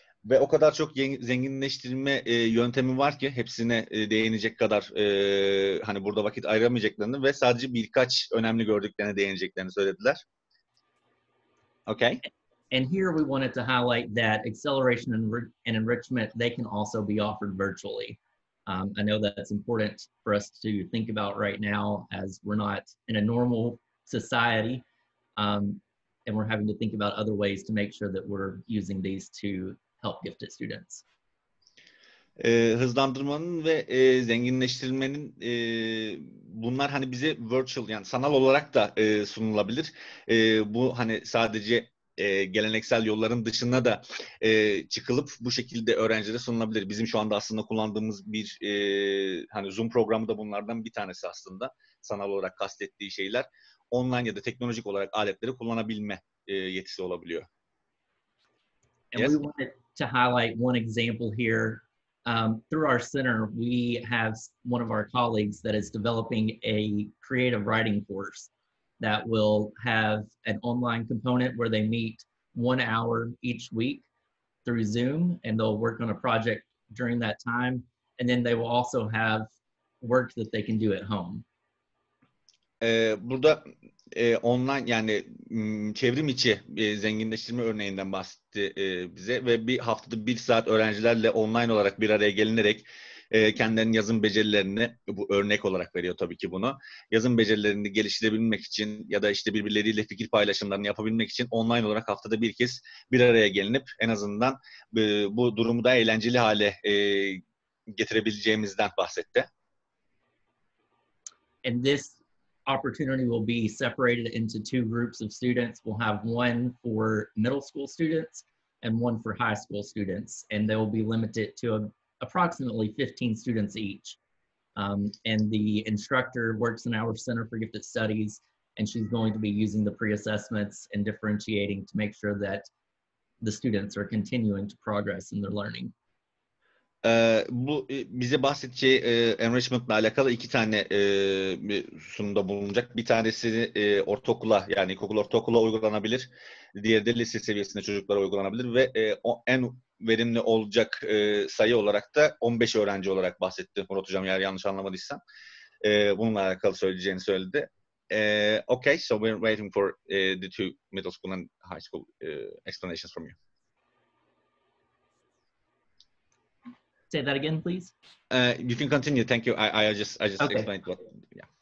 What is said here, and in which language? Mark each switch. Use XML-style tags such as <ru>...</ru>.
<tr>Ve o kadar çok zenginleştirme yöntemi var ki hepsine değinecek kadar hani burada vakit ayıramayacaklarını ve sadece birkaç önemli gördüklerine değineceklerini söylediler.</tr> <en>Okay. And here we wanted to highlight that acceleration and enrichment, they can also be offered virtually. I know that's important for us to think about right now as we're not in a normal society. and we're having to think about other ways to make sure that we're using these to help gifted students.</en> <tr>Hızlandırmanın ve zenginleştirilmenin bunlar hani bize virtual yani sanal olarak da sunulabilir. Bu hani sadece geleneksel yolların dışına da çıkılıp bu şekilde öğrencilere sunulabilir. Bizim şu anda aslında kullandığımız bir hani Zoom programı da bunlardan bir tanesi aslında. Sanal olarak kastettiği şeyler online ya da teknolojik olarak aletleri kullanabilme yetisi olabiliyor.</tr> <en>And yes? We wanted to highlight one example here. Through our center, we have one of our colleagues that is developing a creative writing course that will have an online component where they meet 1 hour each week through Zoom, and they'll work on a project during that time. And then they will also have work that they can do at home.</en> <tr>Burada online yani çevrim içi zenginleştirme örneğinden bahsetti bize ve bir haftada bir saat öğrencilerle online olarak bir araya gelinerek kendilerinin yazım becerilerini, bu örnek olarak veriyor tabii ki bunu, yazım becerilerini geliştirebilmek için ya da işte birbirleriyle fikir paylaşımlarını yapabilmek için online olarak haftada bir kez bir araya gelinip en azından bu durumu daha eğlenceli hale getirebileceğimizden bahsetti.</tr> <en>And this opportunity will be separated into two groups of students. We'll have one for middle school students and one for high school students, and they will be limited to approximately 15 students each. And the instructor works in our Center for Gifted Studies, and she's going to be using the pre-assessments and differentiating to make sure that the students are continuing to progress in their learning.</en> <tr>Bu bize bahsedeceği enrichment'la alakalı iki tane sunumda bulunacak. Bir tanesi ortaokula yani ilkokul ortaokula uygulanabilir. Diğeri de lise seviyesinde çocuklara uygulanabilir. Ve o en verimli olacak sayı olarak da 15 öğrenci olarak bahsetti Murat Hocam. Eğer yanlış anlamadıysam bununla alakalı söyleyeceğini söyledi.</tr> <en>Okay, so we're waiting for the two middle school and high school explanations from you. Say that again, please. You can continue. Thank you. I just okay. Explained what. Yeah.</en>